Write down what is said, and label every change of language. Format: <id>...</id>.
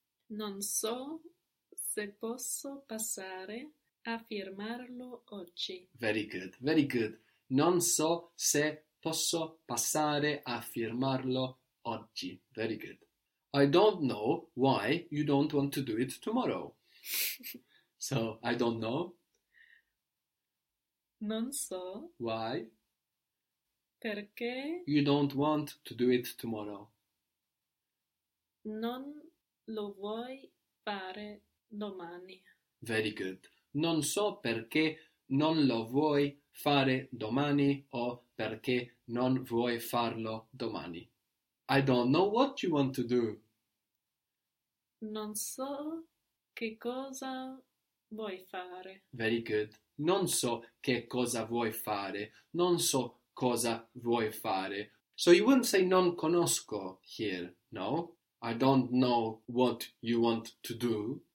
<it>Non so se posso passare a firmarlo oggi.</it> <en>Very good, very good.</en> <it>Non so se posso passare a firmarlo oggi.</it> <en>Very good. I don't know why you don't want to do it tomorrow. So, I don't know</en> <it>Non so</it> <en>why</en> <it>perché</it> <en>you don't want to do it tomorrow.</en> <it>non lo vuoi fare domani.</it> <en>Very good.</en> <it>Non so perché non lo vuoi fare domani o perché non vuoi farlo domani.</it> <en>I don't know what you want to do.</en> <it>Non so che cosa vuoi fare.</it> <en>Very good.</en> <it>Non so che cosa vuoi fare. Non so cosa vuoi fare.</it> <en>So you wouldn't say</en> <it>non conosco</it> <en>here, no? I don't know what you want to do.</en>